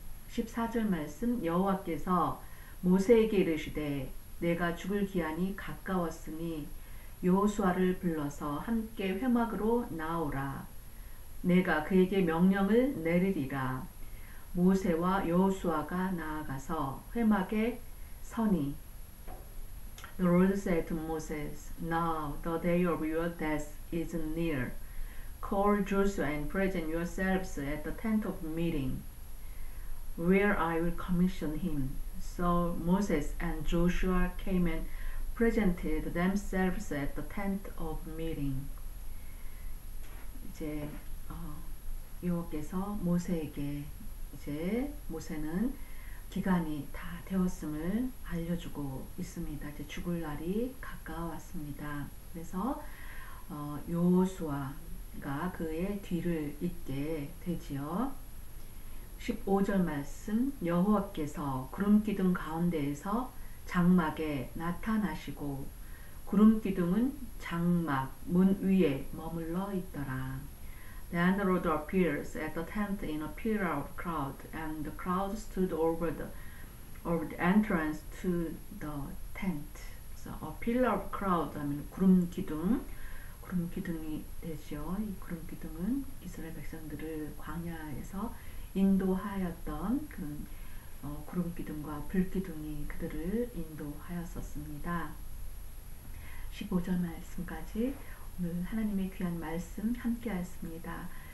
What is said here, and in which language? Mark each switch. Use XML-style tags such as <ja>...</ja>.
<ko>14절 말씀, 여호와께서 모세에게 이르시되, 내가 죽을 기한이 가까웠으니 여호수아를 불러서 함께 회막으로 나오라. 내가 그에게 명령을 내리리라. 모세와 여호수아가 나아가서 회막에 서니.</ko> <en>The Lord said to Moses, Now the day of your death is near. Call Joshua and present yourselves at the tent of meeting. Where I will commission him. So Moses and Joshua came and presented themselves at the tent of meeting.</en> <ko>이제 여호와께서 모세에게 이제 모세는 기간이 다 되었음을 알려주고 있습니다. 이제 죽을 날이 가까웠습니다. 그래서 여호수아가 그의 뒤를 잇게 되지요. 15절 말씀, 여호와께서 구름 기둥 가운데에서 장막에 나타나시고, 구름 기둥은 장막 문 위에 머물러 있더라.</ko> <en>Then the Lord appears at the tent in a pillar of cloud, and the cloud stood over the entrance to the tent. So a pillar of cloud</en> <ko>하면 구름 기둥. 구름 기둥이 되죠. 이 구름 기둥은 이스라엘 백성들을 광야에서 인도하였던 그런 구름 기둥과 불 기둥이 그들을 인도하였었습니다. 15절 말씀까지 오늘 하나님의 귀한 말씀 함께하였습니다.</ko>